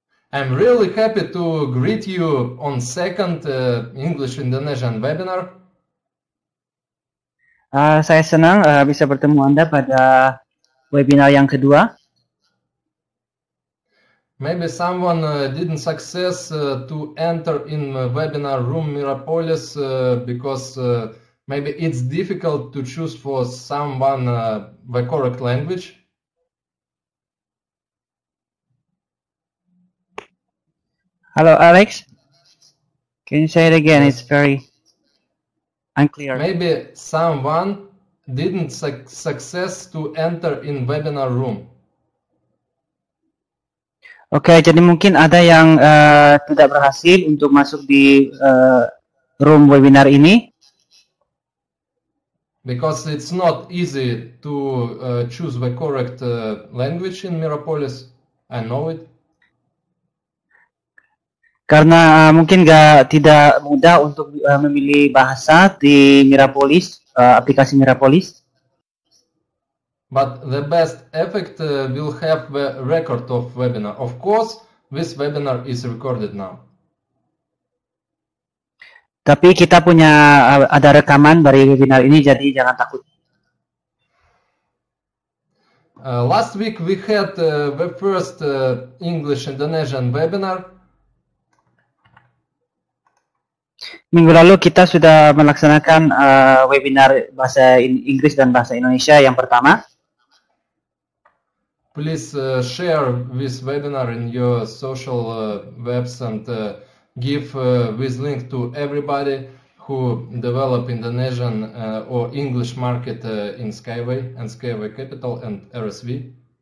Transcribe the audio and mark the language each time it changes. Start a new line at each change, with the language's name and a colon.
English: I'm really happy to greet you on second English Indonesian webinar.
Indonesian: Saya senang bisa bertemu Anda pada webinar yang kedua.
English: Maybe someone didn't success to enter in webinar room Mirapolis because maybe it's difficult to choose for someone the correct language. Hello, Alex. Can you say it again? Yes. It's very unclear. Maybe someone didn't success to enter in webinar room.
Indonesian: Okay, jadi mungkin ada yang tidak berhasil untuk masuk di room webinar ini.
English: Because it's not easy to choose the correct language in Mirapolis. I know it.
Indonesian: Karena mungkin gak tidak mudah untuk memilih bahasa di Mirapolis, aplikasi Mirapolis.
English: But the best effect will have the record of webinar. Of course, this webinar is recorded now.
Indonesian: Tapi kita punya ada rekaman dari webinar ini, jadi jangan takut.
English: Last week we had the first English Indonesian webinar.
Indonesian: Minggu lalu kita sudah melaksanakan webinar bahasa Inggris dan bahasa Indonesia yang pertama.
English: Please share this webinar in your social webs and give this link to everybody who develop Indonesian or English market in Skyway and Skyway Capital and RSV.